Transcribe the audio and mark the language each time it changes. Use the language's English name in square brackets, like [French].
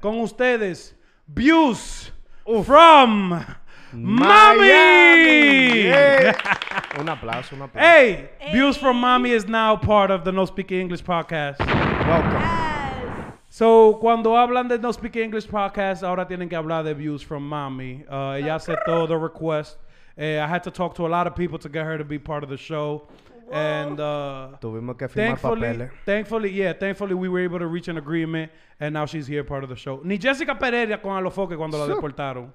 [Spanish] Con ustedes, views from Mami. Yeah. Un aplauso. [English] Hey, views from Mami is now part of the No Speak English Podcast. Welcome. [Spanish] So, cuando hablan de No Speak English Podcast, ahora tienen que hablar de Views from Mami. Ella aceptó [English] the request. I had to talk to a lot of people to get her to be part of the show. Whoa. And [Spanish] tuvimos que firmar papeles. [English] Thankfully, we were able to reach an agreement, and now she's here part of the show. [Spanish] Ni Jessica Pereira con Alofoque cuando la deportaron.